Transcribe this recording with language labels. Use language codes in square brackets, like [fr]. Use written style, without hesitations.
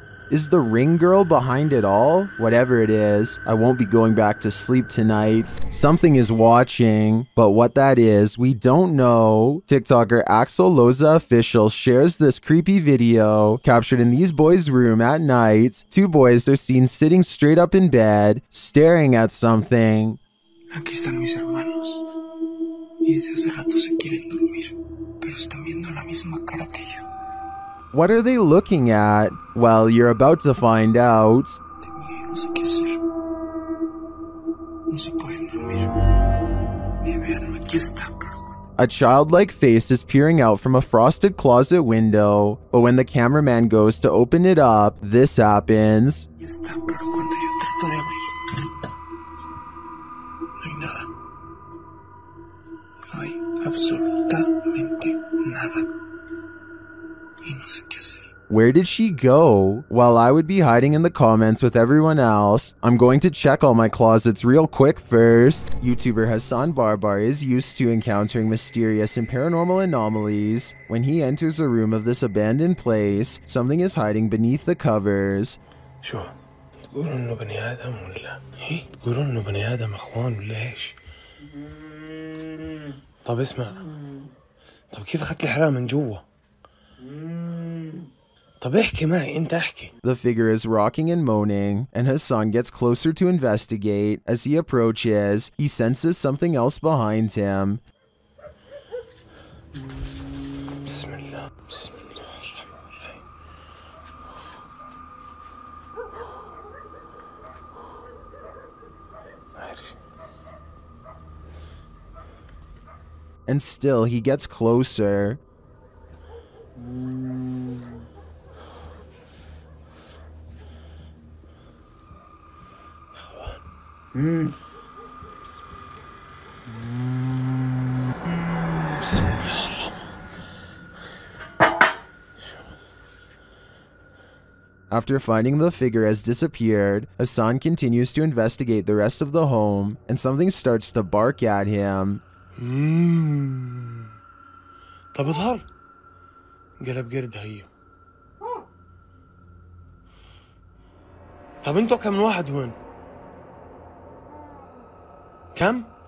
[en] Is the ring girl behind it all? Whatever it is, I won't be going back to sleep tonight. Something is watching, but what that is, we don't know. TikToker Axel Loza Official shares this creepy video captured in these boys' room at night. Two boys are seen sitting straight up in bed, staring at something. [es] Aquí están mis hermanos, y desde hace rato se quieren dormir, pero están viendo la misma cara que yo. [en] What are they looking at? Well, you're about to find out. [es] No sé qué hacer. No se pueden dormir. Ni vean, aquí está. [en] A childlike face is peering out from a frosted closet window, but when the cameraman goes to open it up, this happens. [es] Ya está, pero cuando yo trato de abrir. [en] Where did she go? While I would be hiding in the comments with everyone else, I'm going to check all my closets real quick first. YouTuber Hassan Barbar is used to encountering mysterious and paranormal anomalies. When he enters a room of this abandoned place, something is hiding beneath the covers. [ar] طب اسمع طب كيف اخذت الحرام من جوا طب احكي معي انت احكي. [en] The figure is rocking and moaning, and Hassan gets closer to investigate. As he approaches, he senses something else behind him. [ar] بسم الله بسم الله الرحمن الرحيم. [en] And still, he gets closer. After finding the figure has disappeared, Hassan continues to investigate the rest of the home, and something starts to bark at him. [ar] طب اظهر قلب قرد هي طب انتوا كم واحد هون كم